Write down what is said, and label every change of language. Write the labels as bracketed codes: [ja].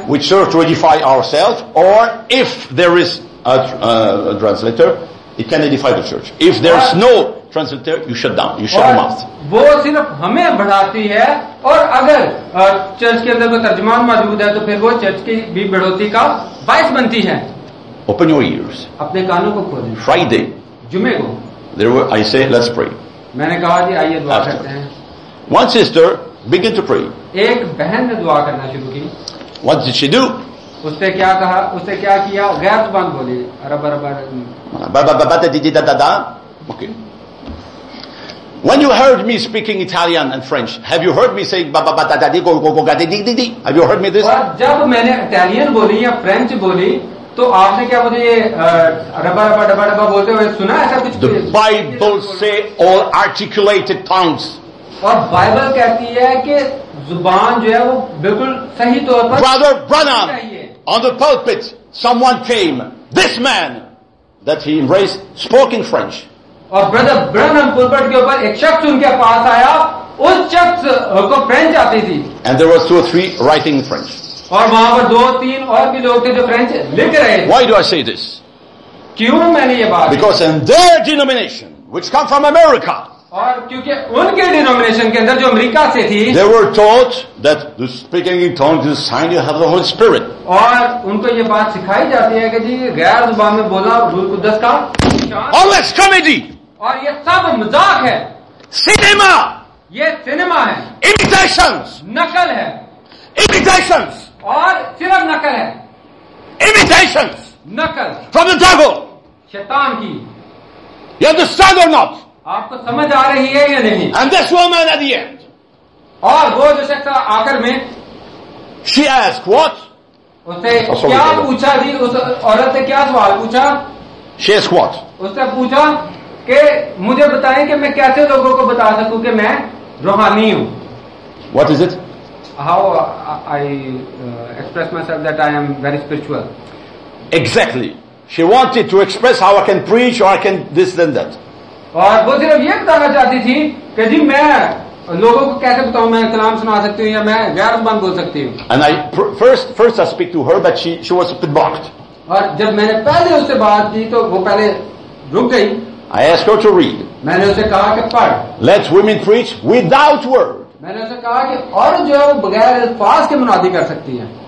[en] Which serves to edify ourselves, or if there is a translator, it can edify the church. If there's no translator, you shut down, you shut your mouth. [ur] وہ صرف ہمیں بڑھاتی ہے اور اگر church کے اندر کوئی ترجمان موجود ہے تو پھر وہ چرچ کی بھی بڑھوتی کا باعث بنتی ہے. [en] Open your ears. [ur] اپنے کانوں کو کھولیں. [en] Friday. [ur] جمعے کو. [en] There were, I say, let's pray. [ur] میں نے کہا جی آئیے دعا کرتے ہیں. [en] One sister began to pray. [ur] ایک بہن نے دعا کرنا شروع کی. [en] What did she do? [ur] اس نے کیا کہا, اس نے کیا کیا, غیر زبان بولی, عرب عرب عرب. بابا بابا دی دی دا دا [en] Da. Okay. When you heard me speaking Italian and French, have you heard me saying ba ba ba da da di go go go ga di di di di? Have you heard me this? [ur] جب میں نے Italian بولی یا French بولی تو آپ نے کیا مجھے ربا ربا ڈبا ڈبا بولتے ہوئے سنا ایسا کچھ؟ [en] The Bible say all articulated tongues. [ur] اور بائبل کہتی ہے کہ زبان جو ہے وہ بالکل صحیح طور پر. [en] Brother Branham, on the pulpit, someone came. This man that he embraced spoke in French. [ur] اور برادر برنہم پلپٹ کے اوپر ایک شخص ان کے پاس آیا, اس شخص کو فرینچ آتی تھی. [en] And there were two or three writing French. [ur] اور وہاں پر دو تین اور بھی لوگ تھے جو فرینچ لکھ رہے تھے. [en] Why do I say this? [ur] کیوں میں نے یہ بات؟ [en] Because in their denomination, which come from America, [ur] اور کیونکہ ان کے ڈینومینیشن کے اندر جو امریکہ سے تھی, [en] they were taught that the speaking in tongues is a sign you have the Holy Spirit. [ur] اور ان کو یہ بات سکھائی جاتی ہے کہ جی غیر زبان میں بولا روح القدس کا. [en] All this comedy. [ur] اور یہ سب مذاق ہے. سینما. یہ سینما ہے. [en] Imitations. [ur] نقل ہے. [en] Imitations. [ur] اور صرف نقل ہے. [en] Imitations. [ur] نقل. [en] From the devil. [ur] شیطان کی. [en] You understand or not? [ur] آپ کو سمجھ آ رہی ہے یا نہیں؟ [en] And this woman at the end. [ur] اور وہ جو شخص آخر میں. [en] She asked what? [ur] اسے کیا پوچھا جی؟ اس عورت سے کیا سوال پوچھا؟ [en] She asked what? [ur] اس نے پوچھا کہ مجھے بتائیں کہ میں کیسے لوگوں کو بتا سکوں کہ میں روحانی ہوں. [en] What is it? How I express myself that I am very spiritual. Exactly. She wanted to express how I can preach or I can this and that. [ur] اور وہ صرف یہ بتانا چاہتی تھی کہ جی میں لوگوں کو کیسے بتاؤں, میں کلام سنا سکتی ہوں یا میں غیر زبان بول سکتی ہوں. [en] And I first I speak to her, but she was a bit blocked. [ur] اور جب میں نے پہلے اس سے بات کی تو وہ پہلے رک گئی. [en] I asked her to read. [ur] میں نے اسے کہا کہ پڑھ. [en] Let women preach without word. [ur] میں نے اسے کہا کہ عورت جو ہے وہ بغیر الفاظ کے منادی کر سکتی ہے.